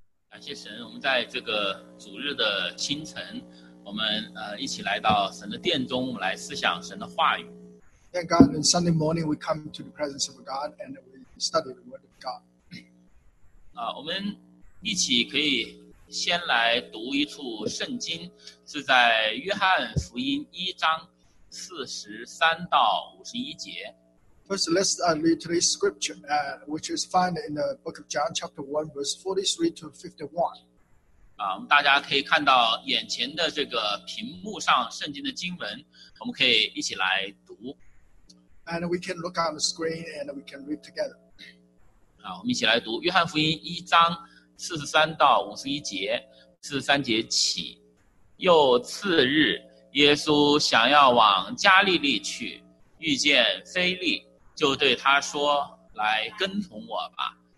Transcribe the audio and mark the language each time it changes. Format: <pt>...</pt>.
<zh>感谢神，我们在这个主日的清晨，我们一起来到神的殿中，我们来思想神的话语。</zh> <en>Thank God, on Sunday morning we come to the presence of God and we study the Word of God.</en> <zh>我们一起可以先来读一处圣经，是在约翰福音一章四十三到五十一节。</zh> <en>First, let's read today's scripture, which is found in the book of John, chapter 1, verse 43 to 51.</en> <zh>大家可以看到眼前的这个屏幕上圣经的经文，我们可以一起来读。</zh> <en>And we can look on the screen and we can read together.</en> <zh>我们一起来读。约翰福音一章四十三到五十一节，四十三节起。又次日，耶稣想要往加利利去，遇见腓力，就对他说，来跟从我吧。</zh>